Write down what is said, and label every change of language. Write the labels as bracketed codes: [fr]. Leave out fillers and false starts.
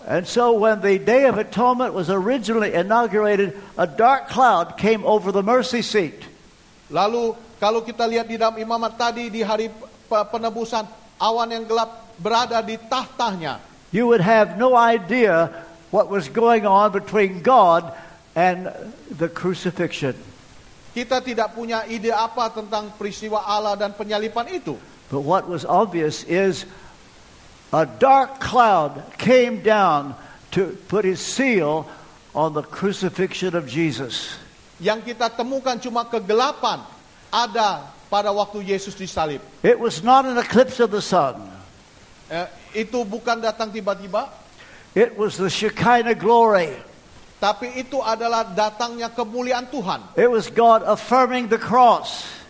[en] And so when the Day of Atonement was originally inaugurated, a dark cloud came over the mercy seat. [id] Lalu kalau kita lihat di dalam Imamat tadi di hari penebusan, awan yang gelap berada di tahtanya. [en] You would have no idea what was going on between God and the crucifixion. [id] Kita tidak punya ide apa tentang peristiwa Allah dan penyalipan itu. [en] But what was obvious is a dark cloud came down to put his seal on the crucifixion of Jesus. [id] Yang kita temukan cuma kegelapan ada pada waktu Yesus disalib. [en] It was not an eclipse of the sun. [id] Itu bukan datang tiba-tiba. [en] It was the Shekinah glory. [id] Tapi itu adalah datangnya kemuliaan Tuhan. [en] It was God affirming the cross.